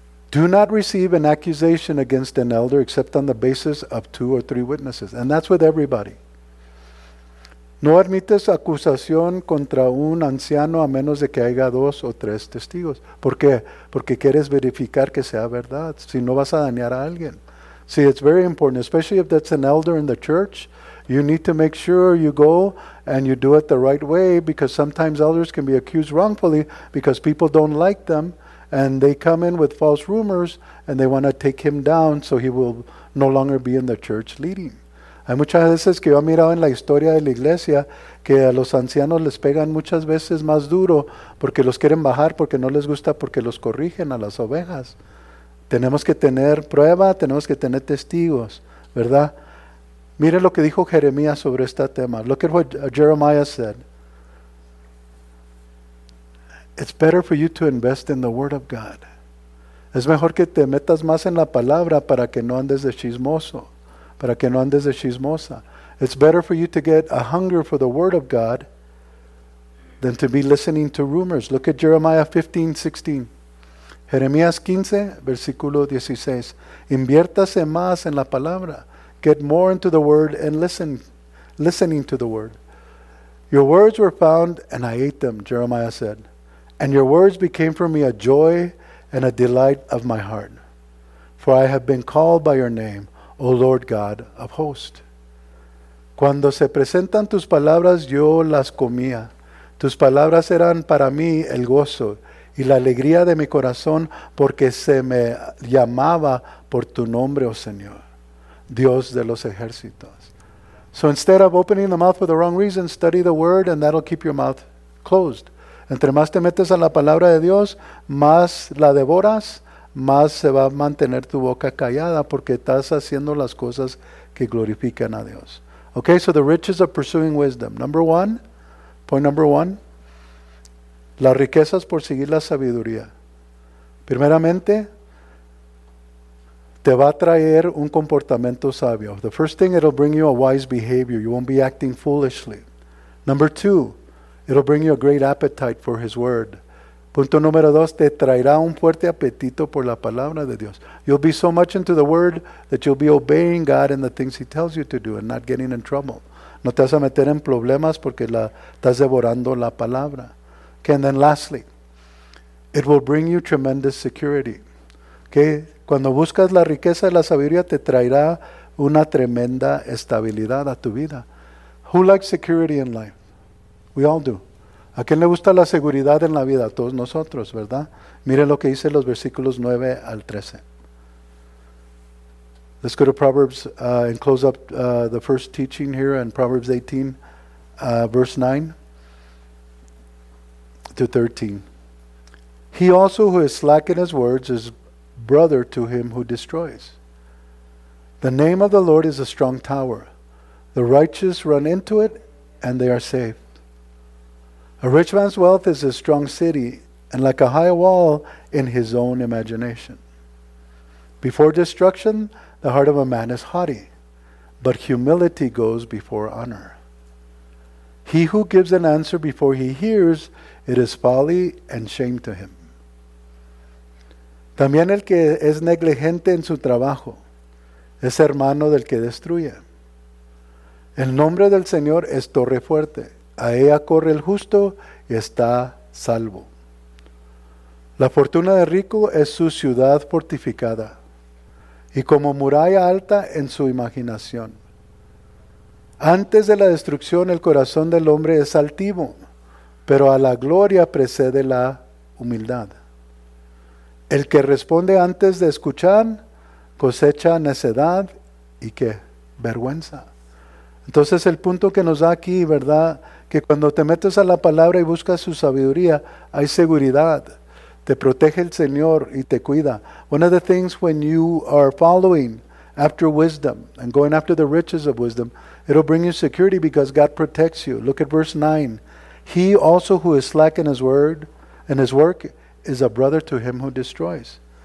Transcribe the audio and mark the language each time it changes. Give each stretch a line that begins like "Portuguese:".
English: Do not receive an accusation against an elder except on the basis of 2 or 3 witnesses. And that's with everybody.
Spanish: No admites acusación contra un anciano a menos de que haya 2 o 3 testigos. ¿Por qué? Porque quieres verificar que sea verdad. Si no, vas a dañar a alguien.
English: See, it's very important, especially if that's an elder in the church. You need to make sure you go and you do it the right way, because sometimes elders can be accused wrongfully because people don't like them and they come in with false rumors and they want to take him down so he will no longer be in the church leading.
Spanish: Hay muchas veces que yo he mirado en la historia de la iglesia que a los ancianos les pegan muchas veces más duro porque los quieren bajar, porque no les gusta, porque los corrigen a las ovejas. Tenemos que tener prueba, tenemos que tener testigos, ¿verdad? Mire lo que dijo Jeremías sobre este tema.
English: Look at what Jeremiah said. It's better for you to invest in the word of God.
Spanish: Es mejor que te metas más en la palabra para que no andes de chismoso. Para que no andes de chismosa.
English: It's better for you to get a hunger for the word of God than to be listening to rumors. Look at Jeremiah 15:16.
Spanish: Jeremías 15, versículo 16. Inviértase más en la palabra.
English: Get more into the word and listening to the word. Your words were found and I ate them, Jeremiah said. And your words became for me a joy and a delight of my heart. For I have been called by your name, oh Lord God of hosts.
Spanish: Cuando se presentan tus palabras, yo las comía. Tus palabras eran para mí el gozo y la alegría de mi corazón, porque se me llamaba por tu nombre, oh Señor, Dios de los ejércitos.
English: So instead of opening the mouth for the wrong reason, study the word and that'll keep your mouth closed.
Spanish: Entre más te metes a la palabra de Dios, más la devoras, más se va a mantener tu boca callada, porque estás haciendo las cosas que glorifican a Dios.
English: Okay, so the riches of pursuing wisdom. Number one, Point number one.
Spanish: Las riquezas por seguir la sabiduría. Primeramente, te va a traer un comportamiento sabio.
English: The first thing, it'll bring you a wise behavior. You won't be acting foolishly. Number two, it'll bring you a great appetite for His Word.
Spanish: Punto número dos, te traerá un fuerte apetito por la palabra de Dios.
English: You'll be so much into the Word that you'll be obeying God and the things He tells you to do and not getting in trouble.
Spanish: No te vas a meter en problemas porque estás devorando la palabra.
English: Okay, and then lastly, it will bring you tremendous security.
Spanish: Okay, cuando buscas la riqueza de la sabiduría, te traerá una tremenda estabilidad a tu vida.
English: Who likes security in life? We all do.
Spanish: ¿A quién le gusta la seguridad en la vida? A todos nosotros, ¿verdad? Mire lo que dice los versículos 9 al 13.
English: Let's go to Proverbs and close up the first teaching here in Proverbs 18, verse 9. To 13. He also who is slack in his words is brother to him who destroys. The name of the Lord is a strong tower. The righteous run into it and they are saved. A rich man's wealth is a strong city and like a high wall in his own imagination. Before destruction, the heart of a man is haughty, but humility goes before honor. He who gives an answer before he hears, it is folly and shame to him.
Spanish: También el que es negligente en su trabajo es hermano del que destruye. El nombre del Señor es torre fuerte. A ella corre el justo y está salvo. La fortuna de rico es su ciudad fortificada y como muralla alta en su imaginación. Antes de la destrucción, el corazón del hombre es altivo, pero a la gloria precede la humildad. El que responde antes de escuchar cosecha necedad y ¿qué? Vergüenza. Entonces el punto que nos da aquí, ¿verdad? Que cuando te metes a la palabra y buscas su sabiduría, hay seguridad. Te protege el Señor y te cuida.
English: One of the things when you are following after wisdom and going after the riches of wisdom, it'll bring you security because God protects you. Look at verse 9. He also who is slack in his word and his work is a brother to him who destroys.